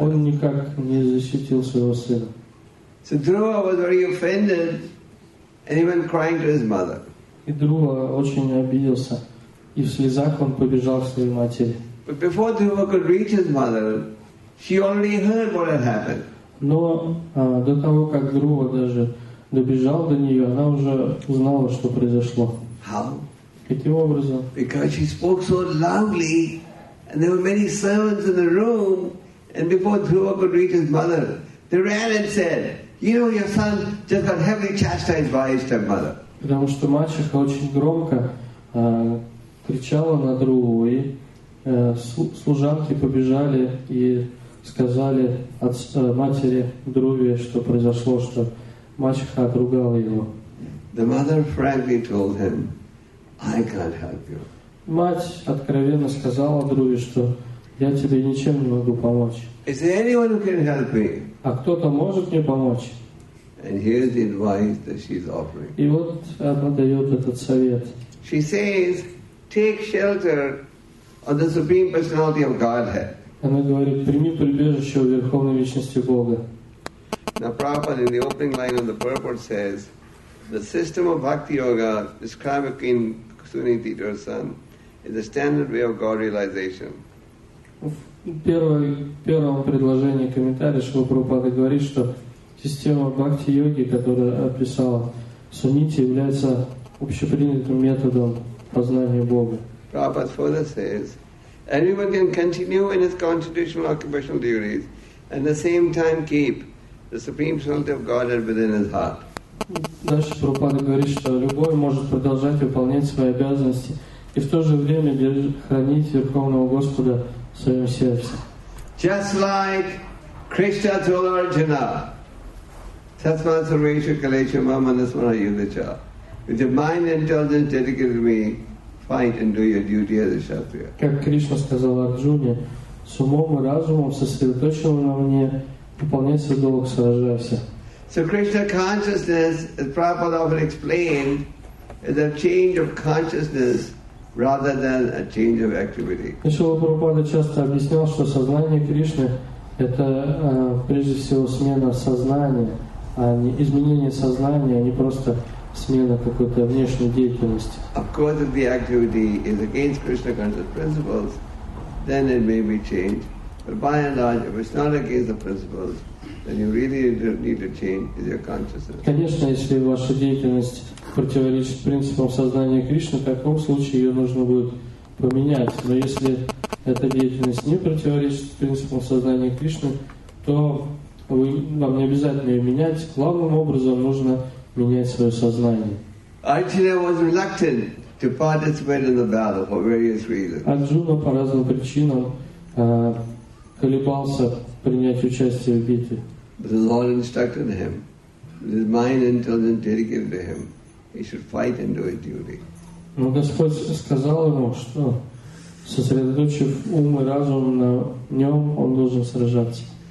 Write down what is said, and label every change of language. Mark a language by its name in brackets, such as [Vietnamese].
[Russian] Он никак не защитил своего сына. [English] So Друва was very offended, and he went crying to his mother. [Russian] И Друва очень обиделся, и в слезах он побежал к своей матери. [English] But before Друва could reach his mother, she already heard what had happened. [Russian] Но до того, как Друва даже добежал до нее, она уже узнала, что произошло. [English] How? Because she spoke so loudly, and there were many servants in the room, and before Dhruva could reach his mother, they ran and said, "You know, your son just got heavily chastised by his stepmother." [Russian] Потому что мачеха очень громко кричала на Дхруву, и служанки побежали и сказали матери Друве, что произошло, что мачеха отругала его. [English] The mother frankly told him, "I can't help you." [Russian] Мать откровенно сказала Друве, что я тебе ничем не могу помочь. [English] Is there anyone who can help me? [Russian] А кто-то может мне помочь? [English] And here's the advice that she's offering. [Russian] И вот она дает этот совет. [English] She says, "Take shelter of the Supreme Personality of Godhead." [Russian] Она говорит, прими прибежище у Верховной Личности Бога. [English] Now Prabhupada in the opening line of the purport says, "The system of Bhakti Yoga described by Queen Suniti to her son is the standard way of God realization." [Russian] В первом предложении комментария Шрила Прабхупада говорит, что система Бхакти Йоги, которую описала Сунити, является общепринятым методом познания Бога. [English] Prabhupada further says, "Anyone can continue in his constitutional occupational duties and at the same time keep the Supreme Personality of Godhead within his heart." [Russian] Дальше Прабхупада говорит, что любой может продолжать выполнять свои обязанности и в то же время хранить Верховного Господа в своем сердце. [English] Just like Krishna told Arjuna, [Sanskrit] "Tasma sarvesha kalesha mama nasmara yudhacha. [English] With your mind and intelligence dedicated to me, fight and do your duty as a kshatriya." [Russian] Как Кришна сказал Арджуне, с умом и разумом сосредоточен на мне, выполняй свой долг, сражайся. [English] So Krishna consciousness, as Prabhupada often explained, is a change of consciousness rather than a change of activity. [Russian] Шрила Прабхупада часто объяснял, что сознание Кришны это прежде всего смена сознания, а не изменение сознания, а не просто смена какой-то внешней деятельности. [English] Of course, if the activity is against Krishna consciousness principles, then it may be changed. But by and large, if it's not against the principles, then you really need to change your consciousness. [Russian] Конечно, если ваша деятельность противоречит принципам сознания Кришны, в таком случае ее нужно будет поменять. Но если эта деятельность не противоречит принципам сознания Кришны, то вам не обязательно ее менять. Главным образом нужно менять свое сознание. [English] Arjuna was reluctant to participate in the battle for various reasons. [Russian] Арджуна по разным причинам колебался принять участие в битве. [English] But the Lord instructed him, with his mind and intelligence dedicated to him, he should fight and do his duty. [Russian] Но Господь сказал ему, что сосредоточив ум и разум на нем, он должен сражаться.